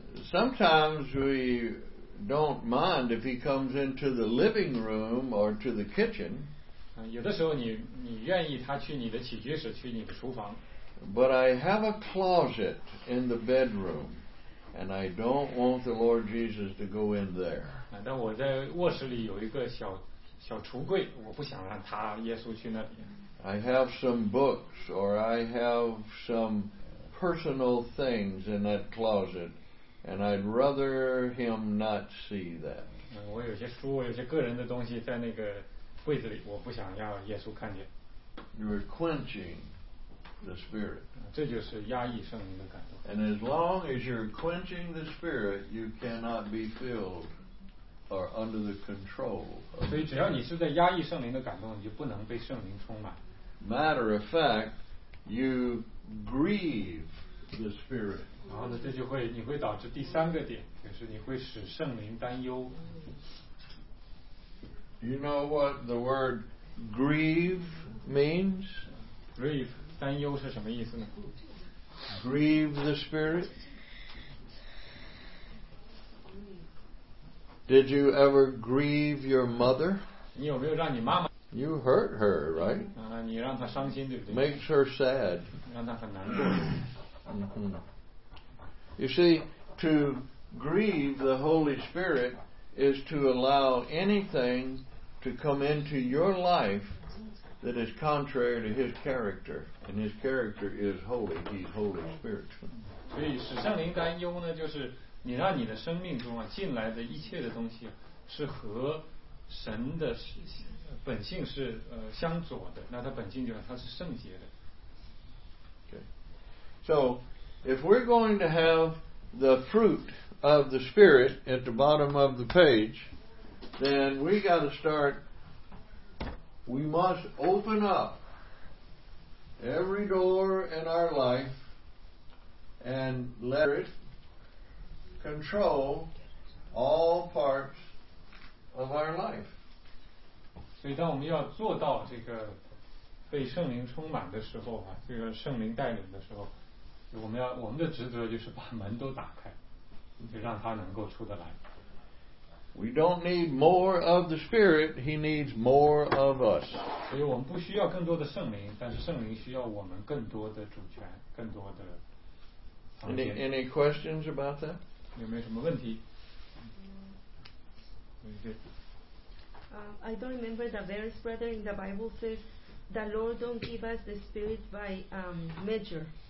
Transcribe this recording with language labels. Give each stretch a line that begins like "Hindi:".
English: Sometimes we don't mind if he comes into the living room or to the kitchen.
Chinese: 有的时候你愿意他去你的起居室，去你的厨房。
English: But I have a closet in the bedroom, and I don't want the Lord Jesus to go in there.
Chinese: 但我在卧室里有一个小橱柜，我不想让他耶稣去那里。
English: I have some books, or I have some. Personal things in that closet, and I'd rather him not see that.
Chinese: 我有些书，我有些个人的东西在那个柜子里，我不想要耶稣看见。
English: You're quenching the spirit.
Chinese: 这就是压抑圣灵的感动。
English: And as long as you're quenching the spirit, you cannot be filled or under the control.
Chinese: 所以只要你是在压抑圣灵的感动，你就不能被圣灵充满。
English: Matter of fact, you grieve the spirit.
Chinese: 然后呢，这就会你会导致第三个点，就是你会使圣灵担忧。
English: You know what the word grieve means?
Chinese: Grieve, 担忧是什么意思呢？
English: Grieve the Spirit. Did you ever grieve your mother?
Chinese: 你有没有让你妈妈？
English: You hurt her, right?
Chinese: 你让她伤心，对不对？
English: Makes her sad.
Chinese: 让她很难过。
English: You see, to grieve the Holy Spirit is to allow anything to come into your life that is contrary to His character. And His character is holy. He's Holy Spirit.
Chinese: 所以使圣灵担忧呢，就是你让你的生命中啊进来的一切的东西是和神的本性是相左的，那他本性就是他是圣洁的。
English: Okay. So, if we're going to have the fruit of the Spirit at the bottom of the page, then we got to start. We must open up every door in our life and let it control all parts of our life.
Chinese: 所以当我们要做到这个被圣灵充满的时候，这个圣灵带领的时候，我们的职责就是把门都打开，就让他能够出得来。
English: We don't need more of the Spirit, He needs more of us.
Chinese: 所以我们不需要更多的圣灵，但是圣灵需要我们更多的主权，更多的。
English: Any questions about that?
Chinese: 有没有什么问题？
English: I don't remember the verse, brother, in the Bible says, the Lord don't give us the Spirit by measure.